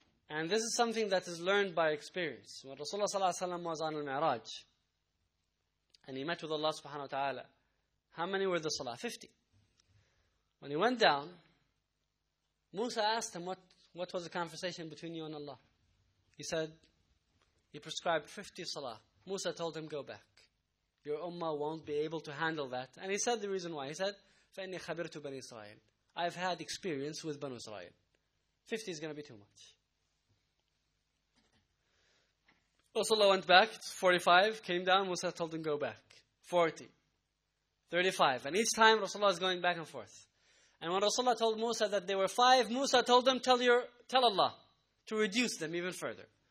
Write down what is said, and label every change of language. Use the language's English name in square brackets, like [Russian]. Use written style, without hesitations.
[English] And this is something that is learned by experience. When Rasulullah sallallahu alayhi wa sallam was on al-Mi'raj, and he met with Allah subhanahu wa ta'ala, how many were the salah? 50. When he went down, Musa asked him, what was the conversation between you and Allah? He said, he prescribed 50 salah. Musa told him, go back. Your ummah won't be able to handle that. And he said the reason why. He said, [Arabic] فَإِنِّي خَبِرْتُ بَنِي إِسْرَائِيلَ. [English] I've had experience with Banu Israel. 50 is going to be too much. Rasulullah went back, 45, came down, Musa told him, go back. 40, 35. And each time Rasulullah is going back and forth. And when Rasulullah told Musa that there were five, Musa told him, tell Allah to reduce them even further.